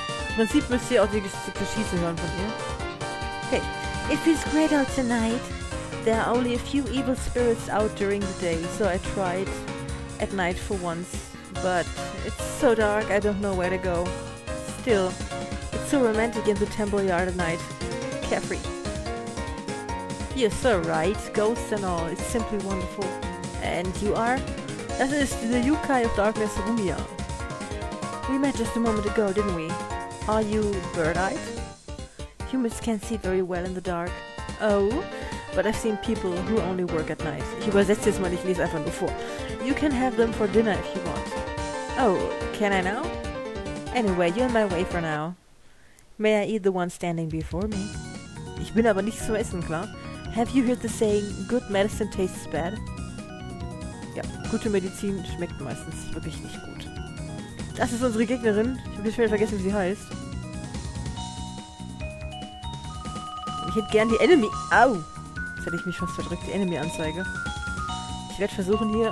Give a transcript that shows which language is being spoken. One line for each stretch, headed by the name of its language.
German: Im Prinzip müsst ihr auch die Geschieße hören von ihr.
English: Okay. It feels great out tonight. There are only a few evil spirits out during the day, so I tried at night for once. But it's so dark, I don't know where to go. Still, it's so romantic in the temple yard at night. Carefree. You're so right, ghosts and all, it's simply wonderful. And you are? That is the Yukai of Darkness, Rumia. We met just a moment ago, didn't we? Are you bird-eyed? Humans can't see very well in the dark. Oh? But I've seen people who only work at night.
German: Ich übersetze jetzt mal, ich lese einfach nur vor.
English: You can have them for dinner if you want. Oh, can I now? Anyway, you're on my way for now. May I eat the one standing before me?
German: Ich bin aber nicht zum Essen, klar?
English: Have you heard the saying, good medicine tastes bad?
German: Ja, gute Medizin schmeckt meistens wirklich nicht gut. Das ist unsere Gegnerin. Ich habe schon vergessen, wie sie heißt. Ich hätte gern die Enemy... Au! Jetzt hätte ich mich fast verdrückt, die Enemy-Anzeige. Ich werde versuchen hier...